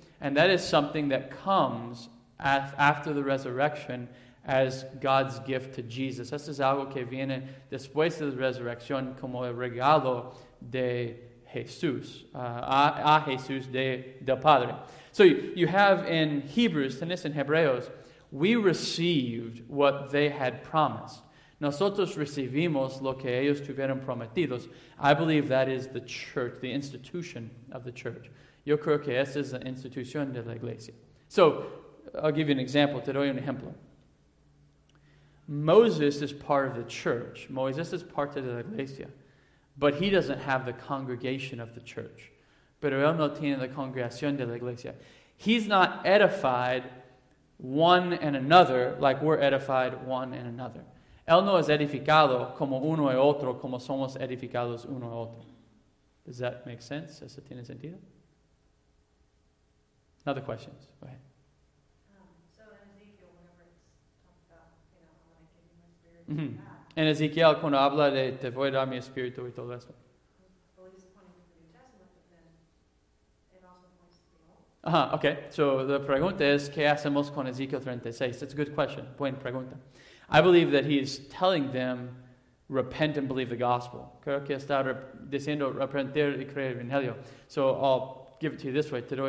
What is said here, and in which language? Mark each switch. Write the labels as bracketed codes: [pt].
[en] And that is something that comes after the resurrection as God's gift to Jesus. [es] Esto es algo que viene después de la resurrección como el regalo de Jesús, a Jesús del Padre. [en] So you have in Hebrews, [es] tenés en Hebreos, [en] we received what they had promised. [es] Nosotros recibimos lo que ellos tuvieron prometidos. [en] I believe that is the church, the institution of the church. [es] Yo creo que esa es la institución de la iglesia. [en] So, I'll give you an example. [es] Te doy un ejemplo. [en] Moses is part of the church. [es] Moisés es parte de la iglesia. [en] But he doesn't have the congregation of the church. [es] Pero él no tiene la congregación de la iglesia. [en] He's not edified one and another like we're edified one and another. [es] Él no es edificado como uno y otro, como somos edificados uno y otro. [en] Does that make sense? [es] ¿Eso tiene sentido? [en] Another questions. Go ahead. So in Ezekiel, whenever it's talked about, you know, I want to give you my spirit. [es] Mm-hmm. And Ezekiel, cuando habla de te voy a dar mi espíritu y todo eso. [en] Well, he's pointing to the New Testament, but then it also points to the Old. Okay. So the [es] pregunta es, ¿qué hacemos con Ezekiel 36? [en] That's a good question. [es] Buena pregunta. [en] I believe that he is telling them, repent and believe the gospel. [es] Creo que está diciendo arrepentir y creer el evangelio. [en] So I'll give it to you this way.